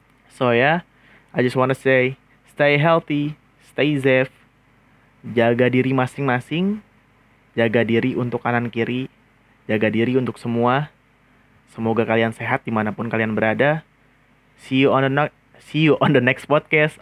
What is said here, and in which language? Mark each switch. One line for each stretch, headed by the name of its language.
English: So yeah, I just wanna say stay healthy, stay safe.
Indonesian: Jaga diri masing-masing. Jaga diri untuk kanan kiri. Jaga diri untuk semua. Semoga kalian sehat dimanapun kalian berada.
English: See you on the next podcast.